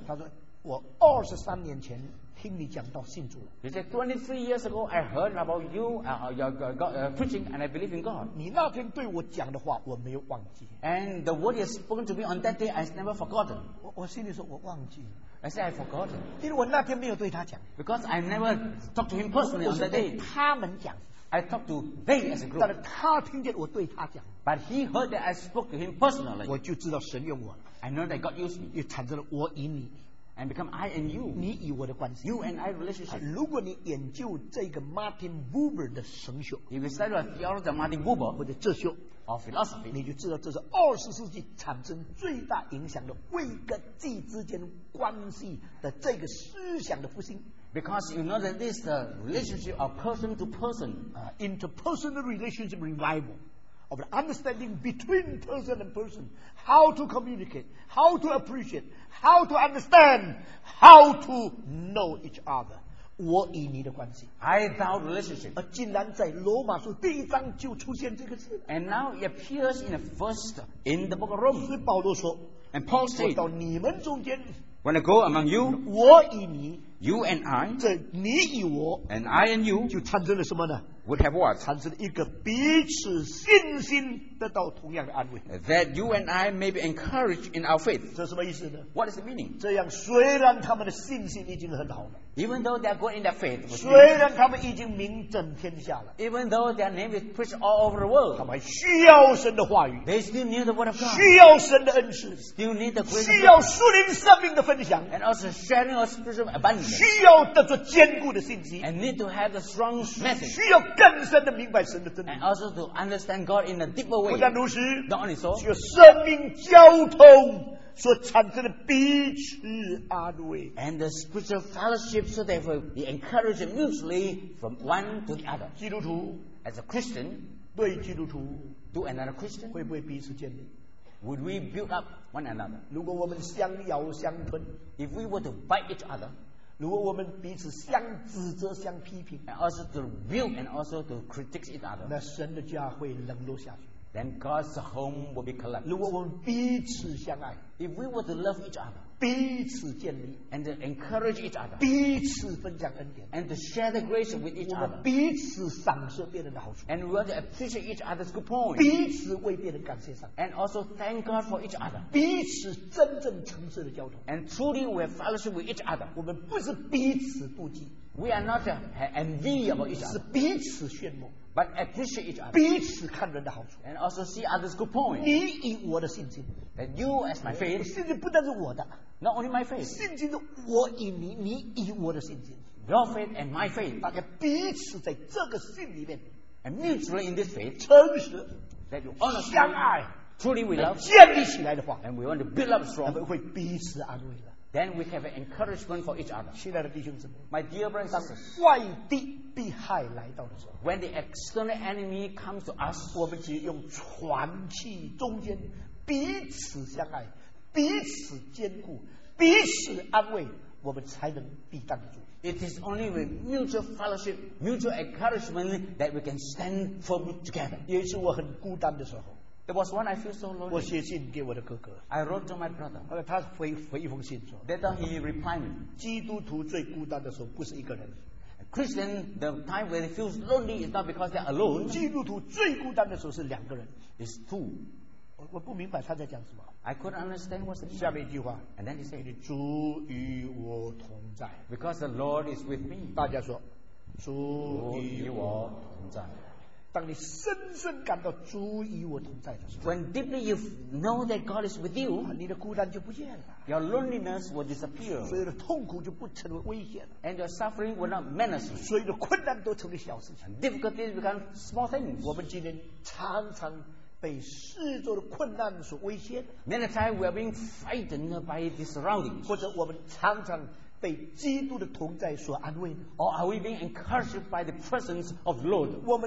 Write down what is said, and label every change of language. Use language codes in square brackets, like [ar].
[zh] 他说我二十三年前听你讲道信主了。 [en] He said 23 years ago I heard about you preaching and I believe in God。 [zh] 你那天对我讲的话我没有忘记。 [en] And the word you spoken to me on that day I never forgotten。 [zh] 我心里说我忘记。 [en] I said I forgotten。 [zh] 因为我那天没有对他讲。 [en] Because I never talked to him personally on that day。 [zh] 他们讲。 [en] I talked to they as a group。 [zh] 但是他听见我对他讲。 [en] But he heard that I spoke to him personally。 [zh] 我就知道神用我 [en] 了。I know that God used me。 [zh] 也产生了我与你。 [en] And become I and you. [zh] 你与我的关系。 [en] You and I relationship. [zh] 如果你研究这个 Martin Buber 的神学 [en] ，If you study the theology of Martin Buber [zh] 或者哲学 [en] ，or philosophy， [zh] 你就知道这是二十世纪产生最大影响的位格际之间关系的这个思想的复兴。 [en] Because you know that this the relationship of person to person, interpersonal relationship revival. Of the understanding between person and person, how to communicate, how to appreciate, how to understand, how to know each other. [zh] 我与你的关系 [en] I thou relationship. [zh] 而竟然在罗马书第一章就出现这个字 [en] And now it appears in the first in the book of Romans. [zh] 所以保罗说 [en] And Paul said, [zh] 我到你们中间 [en] When I go among you, [zh] 我与你 [en] you and I, [zh] 这你与我 [en] and I and you, [zh] 就产生了什么呢？ [en] Would have what? [zh] 产生一个彼此信心得到同样的安慰。 [en] That you and I may be encouraged in our faith. [zh] 这什么意思呢？ [en] What is the meaning? [zh] 这样虽然他们的信心已经很好了。 [en] Even though they are good in their faith. [zh] 虽然他们已经名震天下了。 [en] Even though their name is preached all over the world. [zh] 他们需要神的话语。 [en] They still need the word of God. [zh] 需要神的恩赐。 [en] Still need the grace. [zh] 需要属灵生命的分享。 [en] And also sharing of spiritual abundance. [zh] 需要得着坚固的信心。 [en] And need to have the strong message. [zh] 需要更深的明白神的真理。 [en] And also to understand God in a deeper way. [zh] 不但如此。 [en] Not only so. [zh] 需要生命交通。所产生的彼此安慰 [en] and the spiritual fellowship so therefore we encourage them mutually from one to the other [zh] 基督徒 [en] as a Christian [zh] 对基督徒 [en] to another Christian [zh] 会不会彼此建立 [en] would we build up one another [zh] 如果我们相咬相吞 [en] if we were to bite each other [zh] 如果我们彼此相指责相批评 [en] and also to rebuke and also to critique each other [zh] 那神的家会冷落下去 [en] Then God's home will be collapsed. [zh] 如果我们彼此相爱 [en] ，if we were to love each other， [zh] 彼此建立 [en] ，and encourage each other， [zh] 彼此分享恩典 [en] ，and share the grace with each other， [zh] 我们彼此赏赐别人的好处 [en] ，and we will appreciate each other's good points， [zh] 彼此为别人感谢上 [en] ，and also thank God for each other， [zh] 彼此真正诚实的交通 [en] ，and truly we have fellowship with each other， [zh] 我们不是彼此妒忌 [en] ，we are not envy about each other， [zh] 是彼此炫目。 [en] But appreciate each other. [zh] 彼此看人的好处 [en] And also see others' good point. [zh] 你以我的信心 [en] That you as my faith. [zh] 信心不但是我的 [en] Not only my faith. [zh] 信心是我以你你以我的信心 [en] Your faith and my faith. [zh] 大家彼此在这个信里面 [en] And mutually in this faith. [zh] 诚实 [en] that you honestly, [zh] 相爱, [en] truly we love, [zh] 建立起来的话, [en] and we want to build up strong, [zh] 会彼此安慰了, [en] then we have an encouragement for each other. [zh] 亲爱的弟兄姊妹, [en] my dear brothers and sisters, [zh] 外敌逼害来到的时候, [en] when the external enemy comes to us, [zh] 我们只有用传气中间, 彼此相爱, 彼此坚固, 彼此安慰, 我们才能抵挡得住。 [en] It is only with mutual fellowship, mutual encouragement that we can stand firm together. [zh] 也是我很孤单的时候, [en] it was when I feel so lonely. [zh] 我写信给我的哥哥, [en] I wrote to my brother. [zh] 他回一封信说, [en] that time he replied me. [zh] 基督徒最孤单的时候不是一个人, [en] Christian, the time when he feels lonely is not because they're alone. [zh] 基督徒最孤单的时候是两个人, [en] it's two. [zh] 我不明白他在讲什么, [en] I couldn't understand what's the meaning. [zh] 下面一句话, [en] and then he said, [zh] 主与我同在, [en] because the Lord is with me. [zh] 大家说, 主与我同在, 当你深深感到主与我同在的时候, [en] when deeply you know that God is with you, [zh] 你的孤单就不见了, [en] your loneliness will disappear, [zh] 所有的痛苦就不成为危险了, [en] and your suffering will not menace you, [zh] 所有的困难都成为小事情, [en] difficulties become small things. [zh] 我们今天常常 被四周的困难所威胁, [en] many times we are being frightened by the surroundings, [zh] 或者我们常常被基督的同在所安慰, [en] or are we being encouraged by the presence of the Lord?